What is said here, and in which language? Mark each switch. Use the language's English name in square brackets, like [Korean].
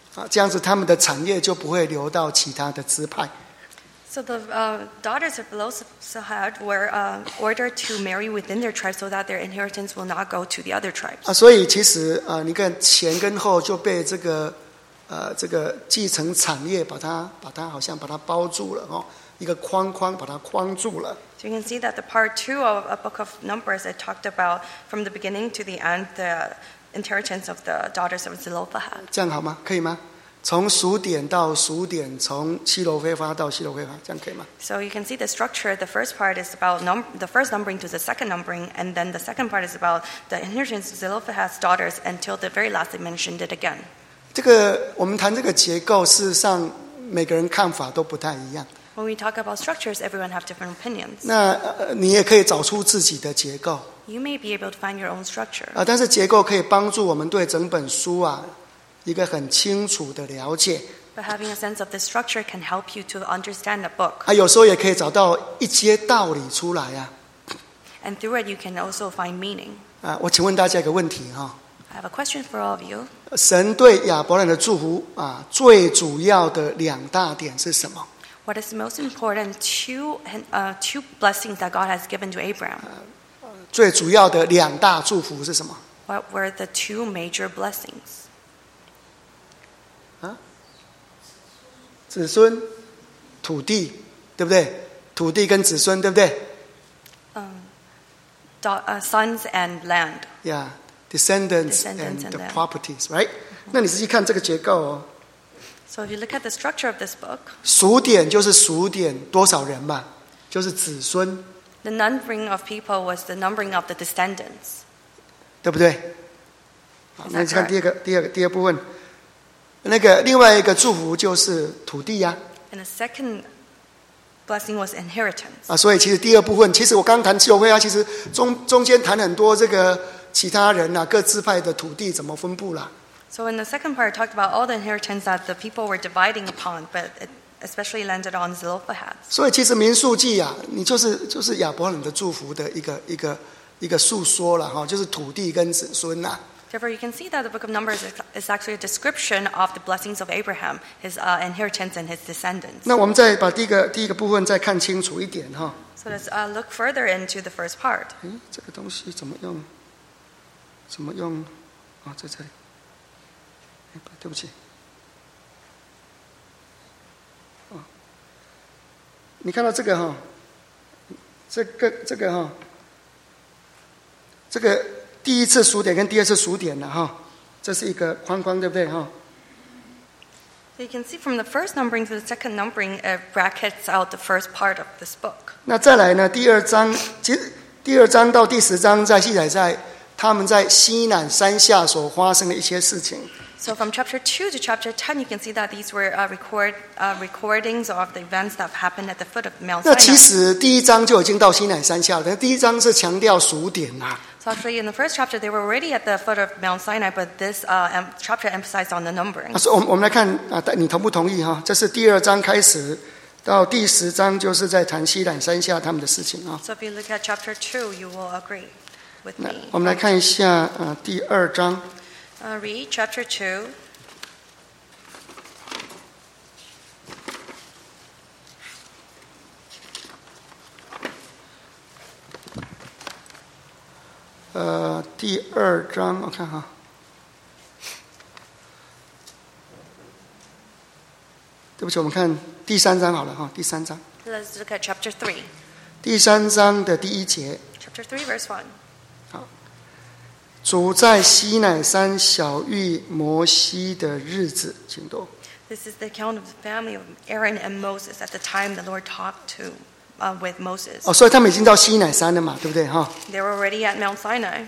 [Chinese] 这样子，他们的产业就不会流到其他的支派。 [English] So the daughters of Zelophehad were ordered to marry within their tribe so that their inheritance will not go to the other tribes. [Chinese] 所以其实你看前跟后就被这个继承产业把它好像把它包住了一个框把它框住了。 [English] So you can see that the part two of a book of Numbers it talked about from the beginning to the end the inheritance of the daughters of Zelophehad. [Chinese] 这样好吗？可以吗？从数点到数点，从西罗非哈到西罗非哈，这样可以吗 [English] ？So you can see the structure. The first part is about the first numbering to the second numbering, and then the second part is about the inheritance of Zelophehad's daughters until the very last they mentioned it again. [Chinese] 这个我们谈这个结构，事实上每个人看法都不太一样。 [English] When we talk about structures, everyone have different opinions. [Chinese] 那你也可以找出自己的结构。 [English] You may be able to find your own structure. [Chinese] 但是结构可以帮助我们对整本书一个很清楚的了解。 [English] But having a sense of the structure can help you to understand the book. [Chinese] 有时候也可以找到一些道理出来啊。 [English] And through it, you can also find meaning. [Chinese] 我请问大家一个问题 [English] I have a question for all of you. [Chinese] 神对亚伯兰的祝福最主要的两大点是什么 [English] ？What is the most important two blessings that God has given to Abraham？ [Chinese] 最主要的两大祝福是什么 [English] ？What were the two major blessings？ [Chinese] 子孙、土地，对不对？土地跟子孙，对不对？ [English] Sons and land. Yeah, descendants and the properties, right? [Chinese] 那你仔细看这个结构 [English] So if you look at the structure of this book, [Chinese] 数点就是数点多少人嘛，就是子孙。 [English] The numbering of people was the numbering of the descendants. [Chinese] 对不对？那你看第二部分。那个另外一个祝福就是土地呀。 [English] And the second blessing was inheritance. [Chinese] 所以其实第二部分，其实我刚谈西罗非哈，其实中间谈很多这个其他人各支派的土地怎么分布了。 [English] So in the second part, I talked about all the inheritance that the people were dividing upon, but it especially landed on Zelophehad. [Chinese] 所以其实民数记你就是亚伯兰的祝福的一个述说了就是土地跟子孙 [English] Therefore, you can see that the book of Numbers is actually a description of the blessings of Abraham, his inheritance and his descendants. [Chinese] 那我们再把第一个部分再看清楚一点哈。 [English] So let's look further into the first part. [Chinese] 这个东西怎么用？啊，在这里。对不起。你看到这个哈，这个哈，这个第一次数点跟第二次数点的哈，这是一个框框，对不对哈？ [English] So you can see from the first numbering to the second numbering, it brackets out the first part of this book. [Chinese] 那再来呢？第二章到第十章在记载在他们在西乃山下所发生的一些事情。 [English] So from chapter 2 to chapter 10, you can see that these were recordings of the events that happened at the foot of Mount Sinai. [Chinese] 那其实第一章就已经到西乃山下了，第一章是强调数点啊。 [English] So actually in the first chapter, they were already at the foot of Mount Sinai, but this chapter emphasized on the numbering. [Chinese] 所以我们来看，你同不同意哈？这是第二章开始到第十章就是在谈西乃山下他们的事情啊。 [English] So if you look at chapter 2, you will agree with me. [Chinese] 我们来看一下第二章。 [English] Read chapter 2. [Chinese] 第二章，我看哈。对不起，我们看第三章好了哈，第三章。 [English] Let's look at chapter [Chinese] 3. 第三章的第一节。 [English] Chapter 3, verse 1. [Chinese] 主在西乃山晓谕摩西的日子，请读。 [English] This is the account of the family of Aaron and Moses at the time the Lord talked to with Moses. [Chinese] 哦，所以他们已经到西乃山了嘛，对不对哈 [English] ？They were already at Mount Sinai.